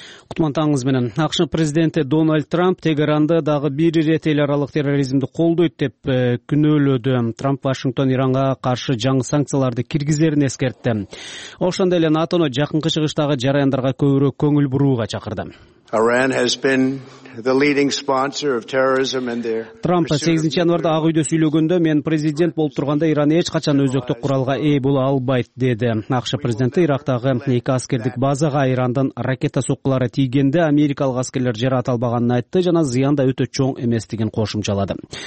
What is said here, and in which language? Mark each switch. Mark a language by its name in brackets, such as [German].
[Kyrgyz] Кутман таңыңыз менен. АКШ президенти Дональд Трамп Тегеранды дагы бир ирет эл аралык терроризмди колдойт деп күнөөлөдү. Трамп Вашингтон Иранга каршы жаңы санкцияларды киргизерин эскертти. Ошондой эле НАТОну жакынкы чыгыштагы жараяндарга көбүрөөк көңүл бурууга чакырды. [English] Iran has been the leading sponsor of terrorism and their [Kyrgyz] Trump 8-январда Ак Үйдө сүйлөгөндө мен президент болуп турганда Иран эч качан өзөктүк куралга ээ боло албайт деди. АКШ президенти Ирактагы 2 аскердик базага Ирандын ракета соккулары тийгенде Америкалык аскерлер жараат албаганын айтты жана зыян да өтө чоң эместигин кошумчалады.